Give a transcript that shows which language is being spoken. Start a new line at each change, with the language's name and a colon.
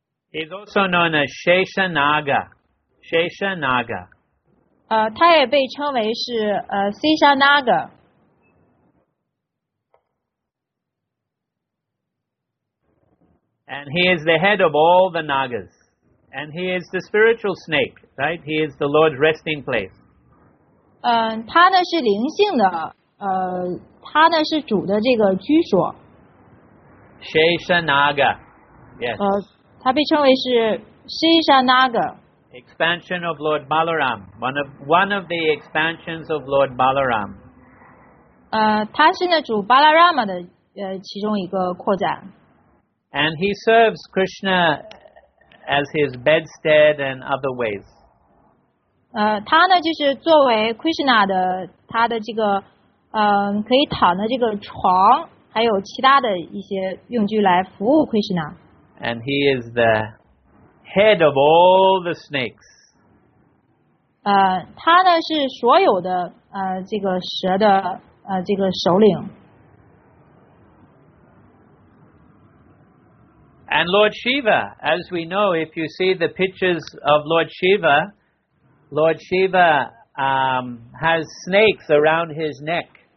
English: He's also known as Shesha Naga. Shesha Naga.
Chinese: 他也被称为是Shesha Naga.
English: And he is the head of all the Nagas. And he is the spiritual snake. Right, he is the Lord's resting place.
Chinese: 他呢是灵性的，他呢是主的这个居所。
English: Shesha Naga, yes.
Chinese: 他被称为是 Shesha Naga.
English: Expansion of Lord Balaram, one of the expansions of Lord Balaram.
Chinese: 他是呢主 Balarama 的其中一个扩展。
English: And he serves Krishna as his bedstead and other ways.
Chinese: 他呢就是作为 Krishna 的他的这个可以躺的这个床还有其他的一些用具来服务 Krishna。
English: And he is the head of all the snakes.
Chinese: 他呢是所有的这个蛇的这个首领。
English: And Lord Shiva, as we know, if you see the pictures of Lord ShivaLord Shiva has snakes around his neck.